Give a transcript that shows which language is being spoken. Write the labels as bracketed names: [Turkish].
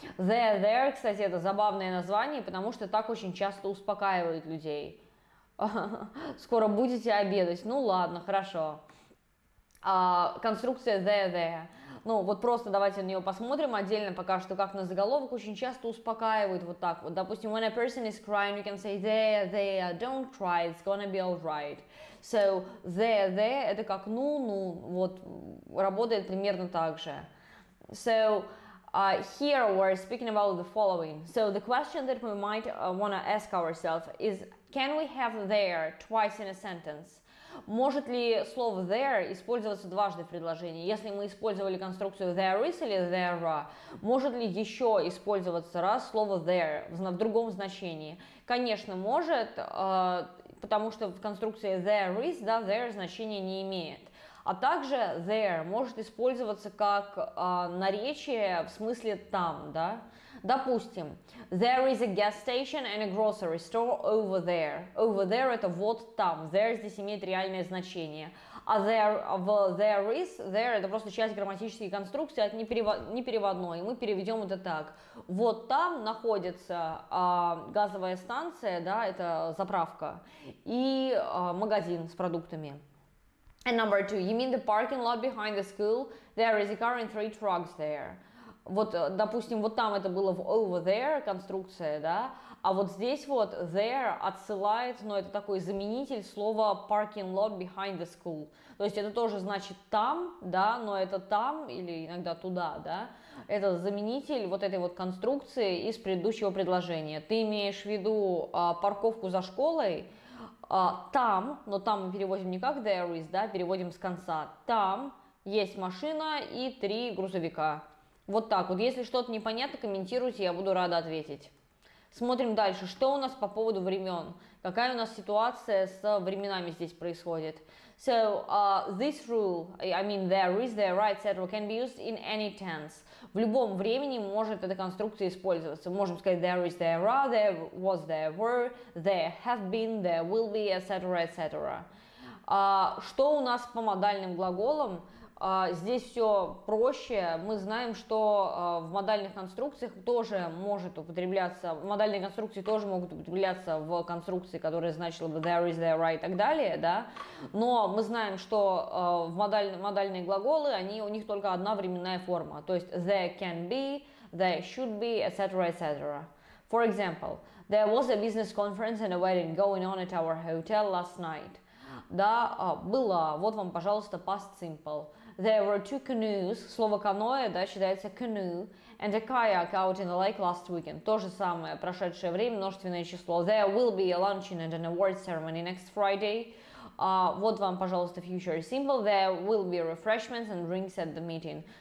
[English] There, there, [Russian] кстати, это забавное название, потому что так очень часто успокаивают людей. Скоро будете обедать. Ну ладно, хорошо. Конструкция there, there. Ну, вот просто давайте на нее посмотрим отдельно пока что, как на заголовок, очень часто успокаивают вот так вот. Допустим, [English] when a person is crying, you can say, there, there, don't cry, it's gonna be alright. So, there, there, [Russian] это как ну, ну, вот, работает примерно так же. [English] So, here we're speaking about the following. So, the question that we might wanna ask ourselves is, can we have there twice in a sentence? [Russian] Может ли слово there использоваться дважды в предложении? Если мы использовали конструкцию there is или there are, может ли еще использоваться раз слово there в другом значении? Конечно, может, потому что в конструкции there is, да, there значения не имеет. А также there может использоваться как наречие в смысле там, да? Допустим, [English] there is a gas station and a grocery store over there. Over there [Russian] – это вот там. There здесь имеет реальное значение. А there is, there – это просто часть грамматической конструкции, это непереводное. Мы переведем это так. Вот там находится газовая станция, да, это заправка, и магазин с продуктами. [English] And number two, you mean the parking lot behind the school? There is a car and three trucks there. [Russian] Вот, допустим, вот там это было в over there конструкция, да, а вот здесь вот there отсылает, но это такой заменитель слова parking lot behind the school. То есть это тоже значит там, да, но это там или иногда туда, да, это заменитель вот этой вот конструкции из предыдущего предложения. Ты имеешь в виду парковку за школой? Там, но там мы переводим не как there is, да, переводим с конца. Там есть машина и три грузовика. Вот так вот. Если что-то непонятно, комментируйте, я буду рада ответить. Смотрим дальше, что у нас по поводу времен. Какая у нас ситуация с временами здесь происходит? [English] So, this rule, I mean, there is, there, etc., can be used in any tense. [Russian] В любом времени может эта конструкция использоваться. Мы можем сказать [English] there is, there are, there was, there were, there have been, there will be, etc., etc. [Russian] Что у нас по модальным глаголам? Здесь все проще. Мы знаем, что в модальных конструкциях тоже может употребляться, модальные конструкции тоже могут употребляться в конструкции, которая значила бы there is, there are и так далее, да. Но мы знаем, что в модальные глаголы, они, у них только одна временная форма. То есть [English] there can be, there should be, etc., etc. For example, there was a business conference and a wedding going on at our hotel last night. [Russian] Да, было. Вот вам, пожалуйста, [English] past simple. There were two canoes. [Russian] Слово каноэ, да, считается canoe. [English] And a kayak out in the lake last weekend. [Russian] То же самое, прошедшее время, множественное число. [English] There will be a luncheon and an award ceremony next Friday. [Russian] Вот вам, пожалуйста, future simple. [English] There will be refreshments and drinks at the meeting.